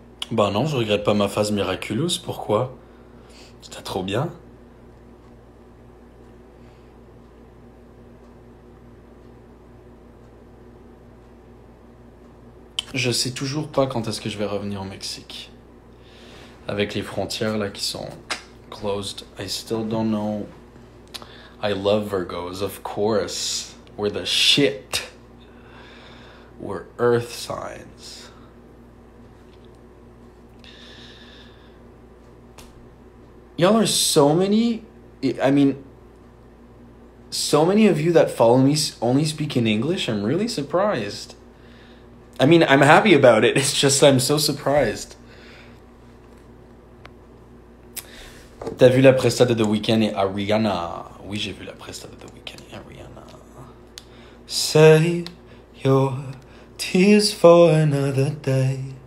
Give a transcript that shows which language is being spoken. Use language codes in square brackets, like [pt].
[fr] Ben non, je regrette pas ma phase miraculeuse. Pourquoi? C'était trop bien. Je sais toujours pas quand est-ce que je vais revenir au Mexique. Avec les frontières là qui sont closed. [en] I still don't know. I love Virgos, of course. We're the shit. We're earth signs. Y'all are so many. I mean, so many of you that follow me only speak in English. I'm really surprised. I mean, I'm happy about it. It's just I'm so surprised. [fr] T'as vu la prestade de The Weeknd et Ariana? Oui, j'ai vu la prestade de The Weeknd et Ariana. [en] Save your tears for another day.